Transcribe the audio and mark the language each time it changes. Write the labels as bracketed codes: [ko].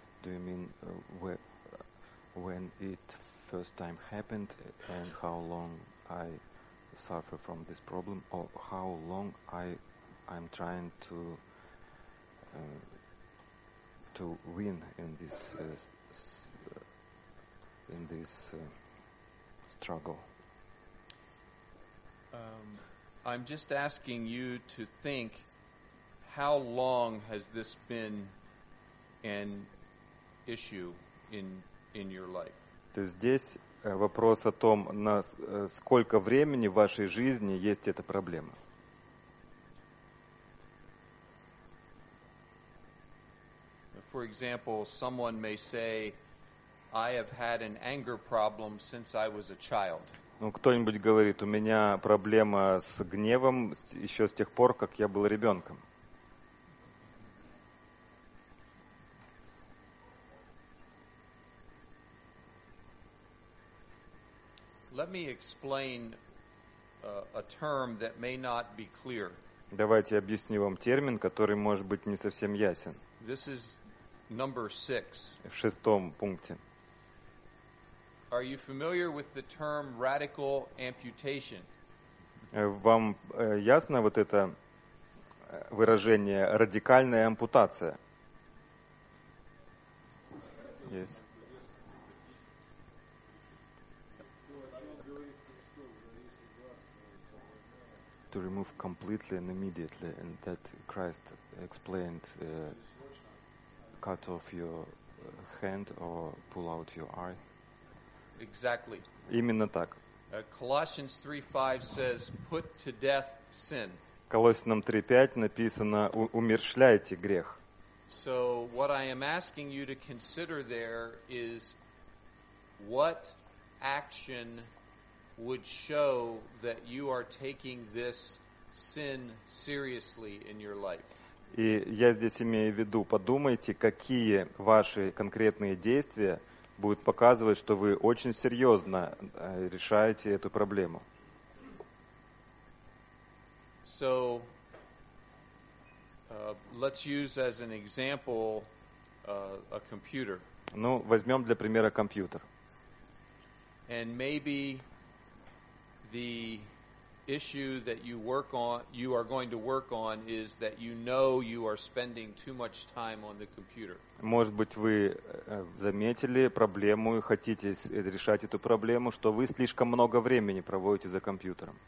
[en] Do you mean when it first time happened, and how long I suffer from this problem, or how long I'm trying to win in this struggle? I'm just asking you to think. How long has this been an issue in your life? [ru] То есть здесь вопрос о том, на сколько времени в вашей жизни есть эта проблема. [en] For example, someone may say, I have had an anger problem since I was a child. [ru] Ну, кто-нибудь говорит, у меня проблема с гневом еще с тех пор, как я был ребенком. [en] Let me explain a term that may not be clear. [ru] Давайте объясню вам термин, который может быть не совсем ясен. [en] This is number 6. [ru] В шестом пункте. [en] Are you familiar with the term radical amputation? [ru] Вам ясно вот это выражение радикальная ампутация? [en] Yes. To remove completely and immediately, and that Christ explained, cut off your hand or pull out your eye. Exactly. [ru] Именно так. [en] Colossians 3:5 says, "Put to death sin." [ru] Колоссянам 3:5 написано, умерщвляйте грех. [en] So what I am asking you to consider there is, what action would show that you are taking this sin seriously in your life. [ru] И я здесь имею в виду, подумайте, какие ваши конкретные действия будут показывать, что вы очень серьезно решаете эту проблему. [en] So, let's use as an example a computer. [ru] Ну, возьмем для примера компьютер. [en] And maybe the issue that you are going to work on is that you know you are spending too much time on the computer. [ru] Может быть, вы заметили проблему и хотите решать эту проблему, что вы слишком много времени проводите за компьютером.